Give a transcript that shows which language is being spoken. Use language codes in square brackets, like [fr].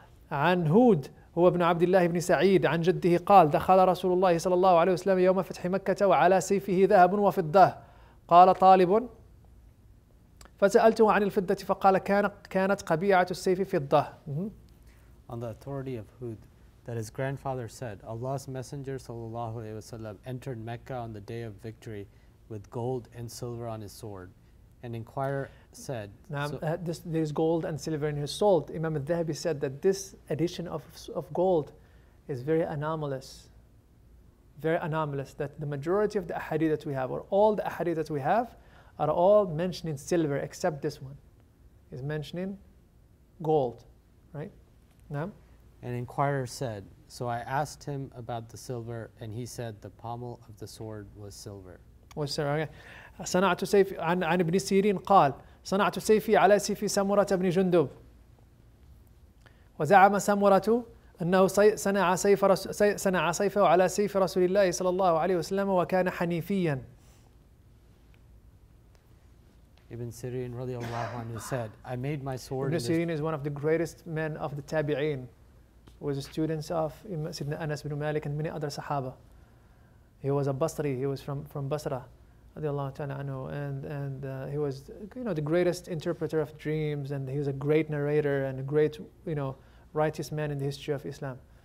[ar] عن هود هو ابن عبد الله بن سعيد عن جده قال دخل رسول الله صلى الله عليه وسلم يوم فتح مكة وعلى سيفه ذهب وفضة. قال طالب فسألته عن الفضة فقال كانت قبيعة السيف فضة. [en] On the authority of Hud that his grandfather said Allah's messenger sallallahu alaihi wasallam entered Mecca on the day of victory with gold and silver on his sword. An inquirer said, there is gold and silver in his sword. Imam al-Dhahabi said that this addition of gold is very anomalous. Very anomalous that the majority of the ahadith that we have, or all the ahadith that we have, are all mentioning silver, except this one is mentioning gold, right? [ar] Naam? [en] An inquirer said, so I asked him about the silver, and he said the pommel of the sword was silver. Was silver, okay. [ar] صنعت سيفي عن ابن سيرين قال صنعت سيفي على سيف سمرة بن جندب وزعم سمرة أنه صنع سيفه على سيف رسول الله صلى الله عليه وسلم وكان حنيفيا. [en] ابن سيرين [ar] رضي الله عنه [en] said I made my sword. Ibn Sirin is one of the greatest men of the Tabi'in, was a student of Sidna Anas bin Malik and many other Sahaba. He was a Basri, he was from Basra radiallahu ta'ala anhu, and he was, you know, the greatest interpreter of dreams, and he was a great narrator and a great, you know, righteous man in the history of Islam.